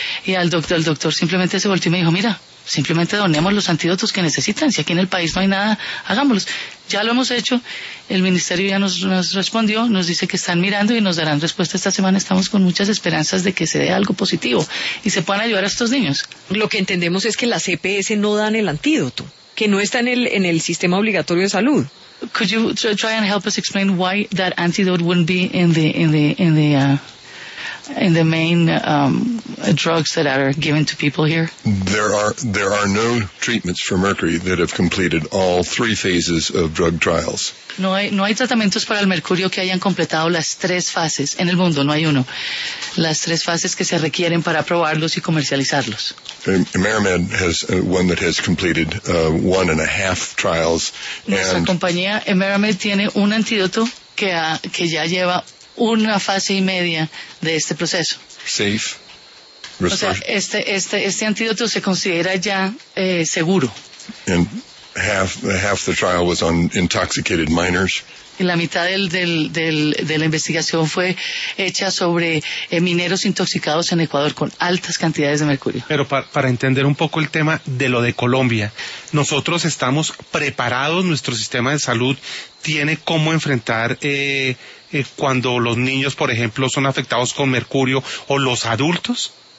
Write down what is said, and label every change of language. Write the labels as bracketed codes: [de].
[es] Y el doctor simplemente se volteó y me dijo, mira, simplemente donemos los antídotos que necesitan. Si aquí en el país no hay nada, hagámoslos. Ya lo hemos hecho. El ministerio ya nos respondió, nos dice que están mirando y nos darán respuesta esta semana. Estamos con muchas esperanzas de que se dé algo positivo y se puedan ayudar a estos niños. Lo que entendemos es que las EPS no dan el antídoto, que no está en el sistema obligatorio de salud. [en] Could you try and help us explain why that antidote wouldn't be in the main drugs that are given to people here? There are no treatments for mercury that have completed all three phases of drug trials. [es] No hay tratamientos para el mercurio que hayan completado las tres fases en el mundo. No hay uno. Las tres fases que se requieren para probarlos y comercializarlos. [en] Emeramed has one that has completed one and a half trials. [es] Nuestra compañía Emeramed tiene un antídoto que ya lleva una fase y media de este proceso. [en] Safe. [es] O sea, este antídoto se considera ya seguro. [en] And half the trial was on intoxicated minors. [es] Y la mitad de la investigación fue hecha sobre mineros intoxicados en Ecuador con altas cantidades de mercurio. Pero para entender un poco el tema de lo de Colombia, nosotros estamos preparados, nuestro sistema de salud tiene cómo enfrentar cuando los niños, por ejemplo, son afectados con mercurio o los adultos.